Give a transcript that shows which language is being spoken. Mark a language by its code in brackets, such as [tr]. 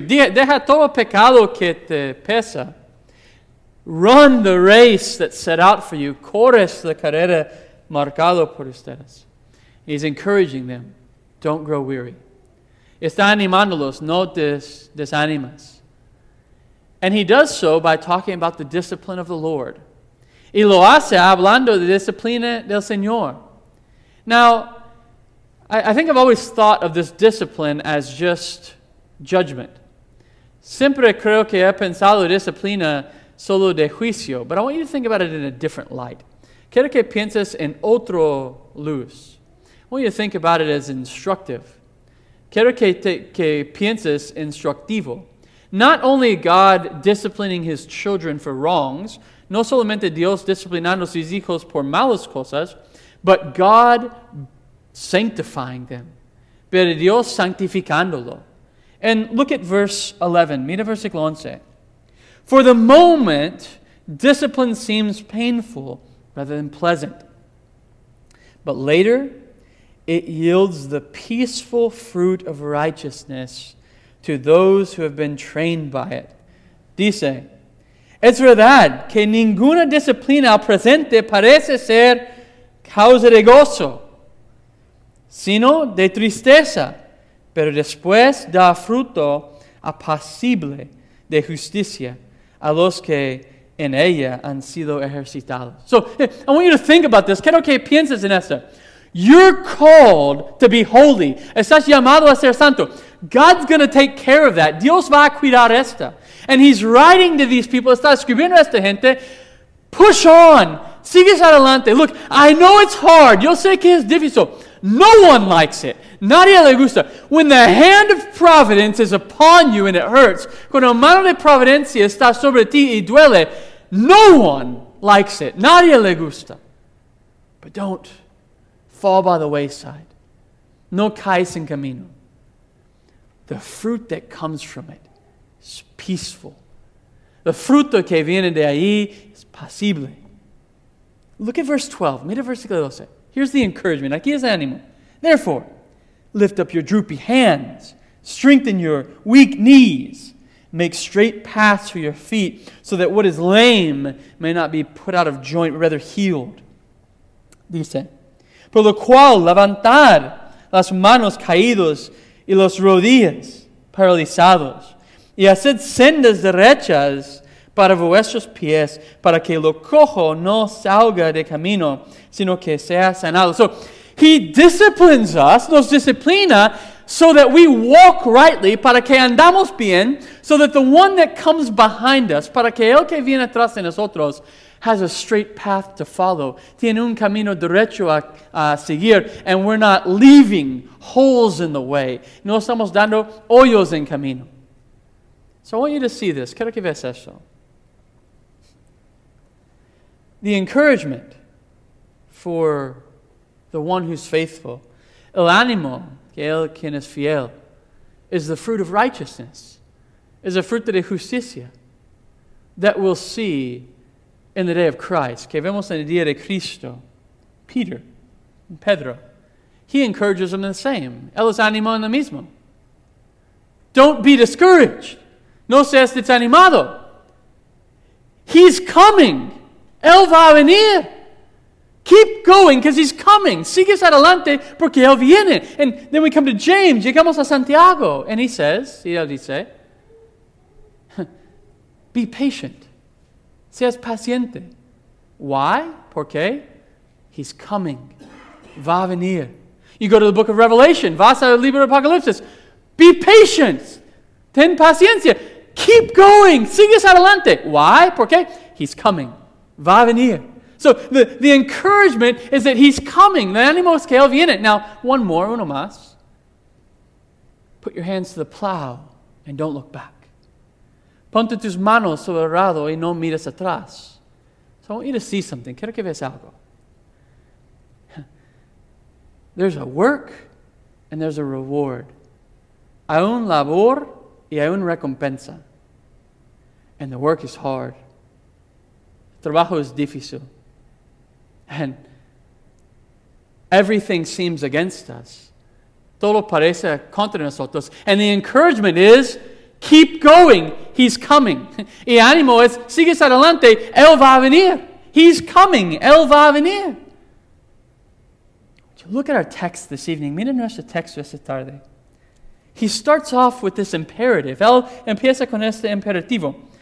[es] Deja todo pecado que te pesa. [en] Run the race that's set out for you. [es] Corres la carrera marcado por ustedes. [en] He's encouraging them. Don't grow weary. [es] Está animándolos. No desanimas. [en] And he does so by talking about the discipline of the Lord. [es] Y lo hace hablando de disciplina del Señor. [en] Now, I think I've always thought of this discipline as just judgment. [es] Siempre creo que he pensado disciplina solo de juicio. [en] But I want you to think about it in a different light. [es] Quiero que pienses en otro luz. [en] I want you to think about it as instructive. [es] Quiero que pienses instructivo. [en] Not only God disciplining his children for wrongs, [es] no solamente Dios disciplinando sus hijos por malas cosas, [en] but God sanctifying them. [es] Pero Dios santificándolo. [en] And look at verse 11. [es] Mira versículo 11. [en] For the moment, discipline seems painful rather than pleasant. But later, it yields the peaceful fruit of righteousness to those who have been trained by it. [es] Dice, es verdad que ninguna disciplina al presente parece ser causa de gozo, sino de tristeza, pero después da fruto apacible de justicia a los que en ella han sido ejercitados. [en] So, I want you to think about this. [es] Quiero que pienses en esto. [en] You're called to be holy. [es] Estás llamado a ser santo. [en] God's going to take care of that. [es] Dios va a cuidar esta. [en] And he's writing to these people. [es] Está escribiendo a esta gente. [en] Push on. [es] Sigues adelante. [en] Look, I know it's hard. [es] Yo sé que es difícil. [en] No one likes it. [es] Nadie le gusta. [en] When the hand of providence is upon you and it hurts, [es] cuando la mano de providencia está sobre ti y duele, [en] no one likes it. [es] Nadie le gusta. [en] But don't fall by the wayside. [es] No caes en camino. [en] The fruit that comes from it is peaceful. [es] The fruto que viene de ahí es pasible. [en] Look at verse 12. [es] Mira versículo 12. [en] Here's the encouragement. [es] Aquí es ánimo. [en] Therefore, lift up your droopy hands. Strengthen your weak knees. Make straight paths for your feet so that what is lame may not be put out of joint, rather healed. [es] Dice, por lo cual levantar las manos caídos y los rodillas paralizados. Y haced sendas derechas para vuestros pies, para que lo cojo no salga de camino, sino que sea sanado. [en] So, he disciplines us, [es] nos disciplina, [en] so that we walk rightly, [es] para que andamos bien, [en] so that the one that comes behind us, [es] para que el que viene atrás de nosotros, [en] has a straight path to follow. [es] Tiene un camino derecho a seguir. [en] And we're not leaving holes in the way. [es] No estamos dando hoyos en camino. [en] So I want you to see this. [es] Quiero que veas eso. [en] The encouragement for the one who's faithful. [es] El ánimo que el quien es fiel. [en] Is the fruit of righteousness. Is a [es] fruto de justicia. [en] That we'll see in the day of Christ, [es] que vemos en el día de Cristo, [en] Peter, and Pedro, he encourages them in the same. [es] Él los anima en lo mismo. [en] Don't be discouraged. [es] No seas desanimado. [en] He's coming. [es] Él va a venir. [en] Keep going, because he's coming. [es] Sigues adelante, porque él viene. [en] And then we come to James, [es] llegamos a Santiago, [en] and he says, [es] y él dice, [en] be patient. [es] Seas paciente. [en] Why? [es] ¿Por qué? [en] He's coming. [es] Va a venir. [en] You go to the book of Revelation. [es] Vas al libro de Apocalipsis. [en] Be patient. [es] Ten paciencia. [en] Keep going. [es] Sigues adelante. [en] Why? [es] ¿Por qué? [en] He's coming. [es] Va venir. [en] So the encouragement is that he's coming. [es] Animos que él viene. [en] Now, one more, [es] uno más. [en] Put your hands to the plow and don't look back. [es] Ponte tus manos sobre el arado y no mires atrás. [en] So I want you to see something. [es] Quiero que veas algo. [en] There's a work and there's a reward. [es] Hay un labor y hay una recompensa. [en] And the work is hard. [es] El trabajo es difícil. [en] And everything seems against us. [es] Todo parece contra nosotros. [en] And the encouragement is, keep going. He's coming. [es] Y ánimo es, sigues adelante. Él va a venir. He's coming. Él va a venir. [en] So look at our text this evening. [es] Miren nuestro texto esta tarde. [en] He starts off with this imperative. [es] Él empieza con este imperativo.